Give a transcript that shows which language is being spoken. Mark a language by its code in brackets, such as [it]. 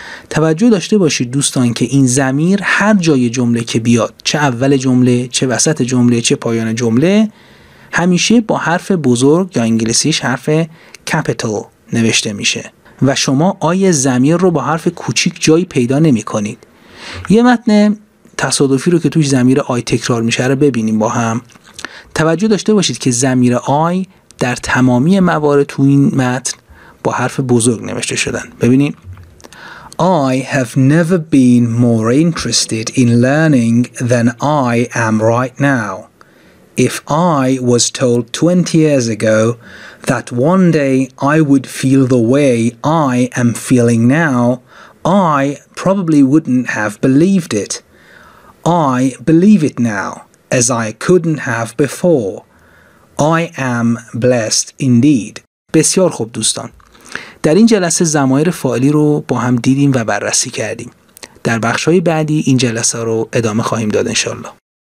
[fa] توجه داشته باشید دوستان که این ضمیر هر جای جمله که بیاد، چه اول جمله، چه وسط جمله، چه پایان جمله، همیشه با حرف بزرگ یا انگلیسیش حرف کپیتال نوشته میشه و شما آی ضمیر رو با حرف کوچیک جایی پیدا نمی کنید. یه متن تصادفی رو که توش ضمیر آی تکرار میشه رو ببینیم با هم. توجه داشته باشید که ضمیر آی در تمامی موارد تو این متن با حرف بزرگ نوشته شدن. ببینید، [en] I have never been more interested in learning than I am right now. If I was told 20 years ago that one day I would feel the way I am feeling now, I probably wouldn't have believed it. I believe it now, as I couldn't have before. I am blessed indeed. [fa] بسیار خوب دوستان. در این جلسه ضمایر فاعلی رو با هم دیدیم و بررسی کردیم. در بخش‌های بعدی این جلسه رو ادامه خواهیم داد انشاءالله.